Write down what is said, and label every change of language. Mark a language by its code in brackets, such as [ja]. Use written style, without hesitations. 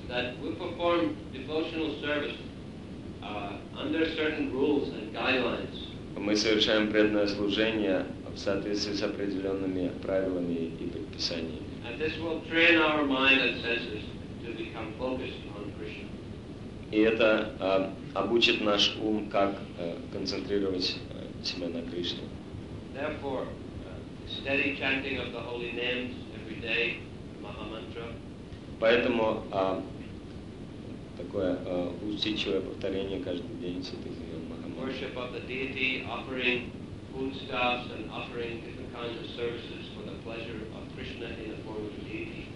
[en] That we perform devotional service under certain rules and guidelines. [ru] Мы совершаем преданное служение в соответствии с определенными правилами и предписаниями. [en] And this will train our mind and senses to become focused on Krishna. [ru] И это обучит наш ум, как концентрировать себя на Кришне. [en] Therefore, steady chanting of the holy names every day, Maha Mantra. [ru] Поэтому такое усидчивое повторение каждый день святых имен Маха Мантры. [en] Worship of the deity, offering foodstuffs and offering different kinds of services for the pleasure of Krishna in the form of the deity.